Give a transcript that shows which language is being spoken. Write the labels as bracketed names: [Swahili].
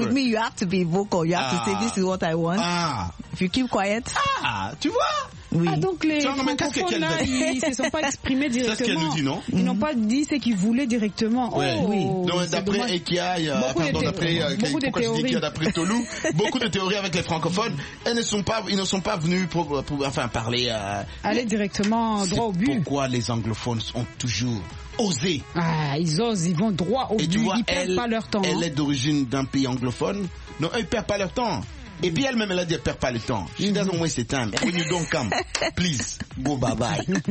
[English] You, with me, you have to be vocal. You have to say, this is what I want. Ah. If you keep quiet. [French] Ah, tu vois? Oui. Ah, donc les francophones là, ils se sont pas exprimés directement. C'est ce qu'elle nous dit, non? Ils n'ont pas dit ce qu'ils voulaient directement. Ouais. Oh, oui. Donc d'après d'après Tolu, beaucoup de théories avec les francophones, ils ne sont pas venus pour parler. aller... aller directement droit au but. C'est pourquoi les anglophones ont toujours osé. Ah, ils osent, ils vont droit au but, ils perdent pas leur temps. Elle est d'origine d'un pays anglophone. Non, ils perdent pas leur temps. Et puis elle-même, elle a dit, elle perd pas le temps. [English] She doesn't waste the time. When you don't come, please, go bye-bye.